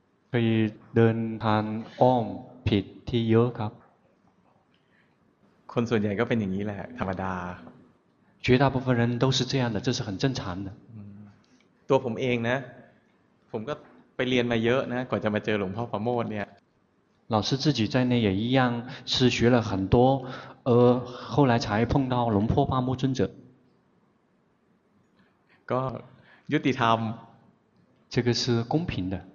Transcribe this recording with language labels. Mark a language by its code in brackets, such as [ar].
[th] 可以 เดินทางอ้อมผิดที่เยอะครับ คนส่วนใหญ่ก็เป็นอย่างนี้แหละธรรมดา [zh] 绝大部分人都是这样的这是很正常的 [th] ตัวผมเองนะผมก็ไปเรียนมาเยอะนะก่อนจะมาเจอหลวงพ่อประโมทเนี่ย [zh] 老师自己在内也一样是学了很多而后来才碰到龙破八木尊者 [th] ก็ยุติธรรม [zh] 这个是公平的